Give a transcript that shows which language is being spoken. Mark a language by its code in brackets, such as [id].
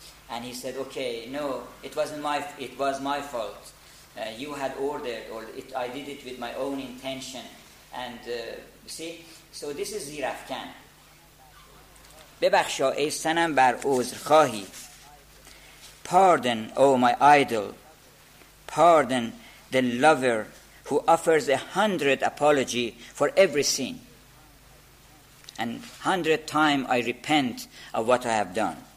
[en] And he said, okay, no, it was my fault. You had ordered, I did it with my own intention. And see, so this is Zirafkan. [fa] ببخشا ای سنم بر عذر خواهی. [en] Pardon, oh my idol. Pardon the lover who offers 100 apology for every sin. And 100 times I repent of what I have done.